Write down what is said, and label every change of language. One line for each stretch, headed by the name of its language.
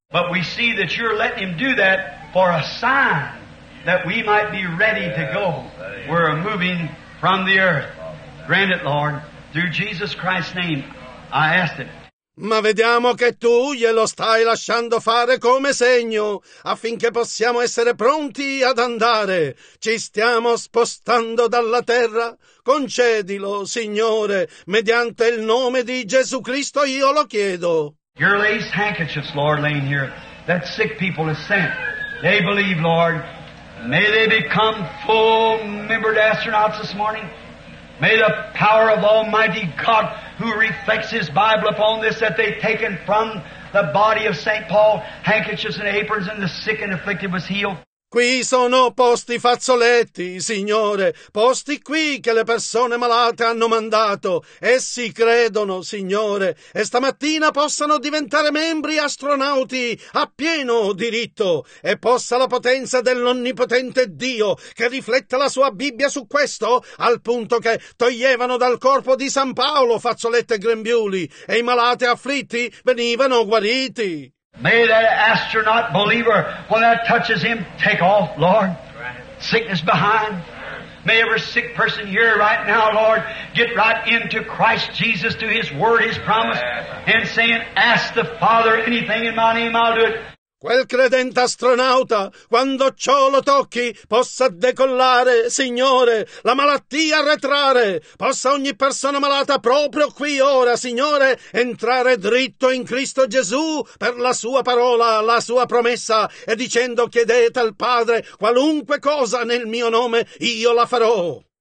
English: But we see that you're letting him do that for a sign that we might be ready to go. We're moving from the earth. Grant it, Lord, through Jesus Christ's name. I ask it.
Italian: Ma vediamo che tu glielo stai lasciando fare come segno, affinché possiamo essere pronti ad andare. Ci stiamo spostando dalla terra. Concedilo, Signore, mediante il nome di Gesù Cristo io lo chiedo.
English: Your lace handkerchiefs, Lord, laying here, that sick people have sent. They believe, Lord. May they become full-membered astronauts this morning. May the power of Almighty God, who reflects His Bible upon this, that they've taken from the body of St. Paul, handkerchiefs and aprons, and the sick and afflicted was healed.
Italian: Qui sono posti fazzoletti, Signore, posti qui che le persone malate hanno mandato. Essi credono, Signore, e stamattina possano diventare membri astronauti a pieno diritto. E possa la potenza dell'Onnipotente Dio, che riflette la sua Bibbia su questo, al punto che toglievano dal corpo di San Paolo fazzolette e grembiuli, e i malati afflitti venivano guariti.
English: May that astronaut believer, when that touches him, take off, Lord. Sickness behind. May every sick person here right now, Lord, get right into Christ Jesus, to His Word, His promise, and saying, ask the Father anything in my name, I'll do it.
Italian: Quel credente astronauta, quando ciò lo tocchi, possa decollare, Signore, la malattia arretrare. Possa ogni persona malata proprio qui ora, Signore, entrare dritto in Cristo Gesù per la sua parola, la sua promessa, e dicendo: chiedete al Padre qualunque cosa nel mio nome, io la farò.